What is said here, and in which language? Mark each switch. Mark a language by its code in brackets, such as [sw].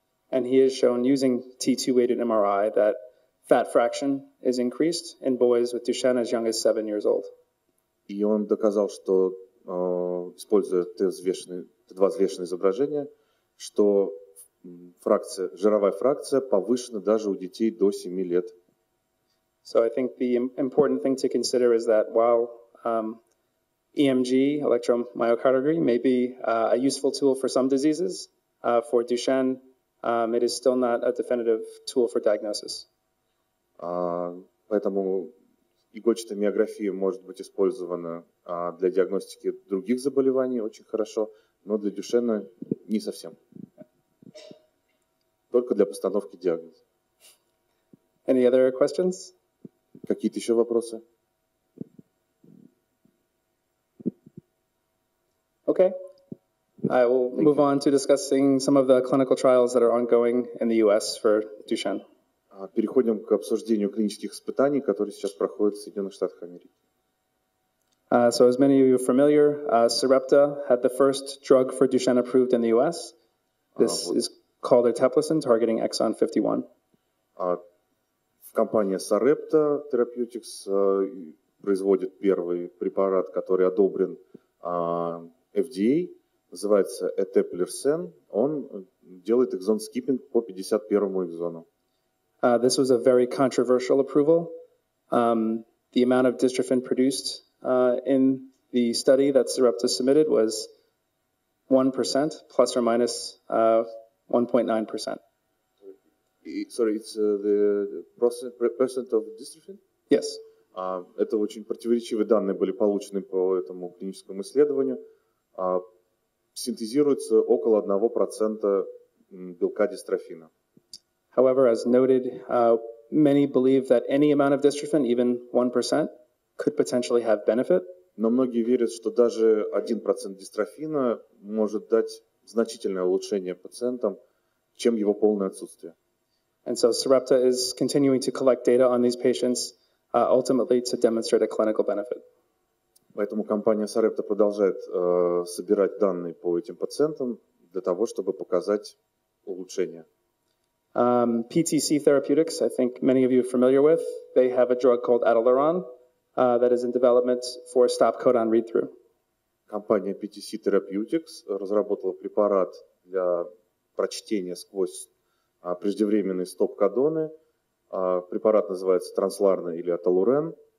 [en] And he has shown using T2-weighted MRI that fat fraction is increased in boys with Duchenne as young as 7 years old. [ru] И он доказал, что используя T2 взвешенное изображение, что фракция, жировая фракция повышена даже у детей до 7 лет. [en] So I think the important thing to consider is that while EMG, electromyocardiography, may be a useful tool for some diseases, for Duchenne, it is still not a definitive tool for diagnosis. [ru] Поэтому игольчатая миография может быть использована для диагностики других заболеваний очень хорошо, но для Дюшена не совсем. Только для постановки диагноза. [en] Any other questions? [ru] Какие-то еще вопросы? [en] Okay. I will move on to discussing some of the clinical trials that are ongoing in the US for Duchenne. [ru] Переходим к обсуждению клинических испытаний, которые сейчас проходят в Соединенных Штатах Америки. [en] So as many of you are familiar, Sarepta had the first drug for Duchenne approved in the US. This is called eteplirsen, targeting exon 51. [ru] Компания Sarepta Therapeutics производит первый препарат, который одобрен FDA. Называется eteplirsen. Он делает exon skipping по 51-му экзону. [en] This was a very controversial approval. The amount of dystrophin produced in the study that Sarepta submitted was 1% plus or minus 1.9%. Sorry, it's the percent of dystrophin? Yes. [ru] Это очень противоречивые данные были получены по этому клиническому исследованию. Синтезируется около 1% белка дистрофина. [en] However, as noted, many believe that any amount of dystrophin, even 1%, could potentially have benefit. [ru] Но многие верят, что даже 1% дистрофина может дать значительное улучшение пациентам, чем его полное отсутствие. [en] And so Sarepta is continuing to collect data on these patients, ultimately to demonstrate a clinical benefit. [ru] Поэтому компания Sarepta продолжает собирать данные по этим пациентам для того, чтобы показать улучшение. [en] PTC Therapeutics, I think many of you are familiar with, they have a drug called Adalimumab that is in development for stop codon read-through. [ru] Компания PTC Therapeutics разработала препарат для прочтения сквозь преждевременные стоп-кодоны. Препарат называется Транслорен или Аталурен.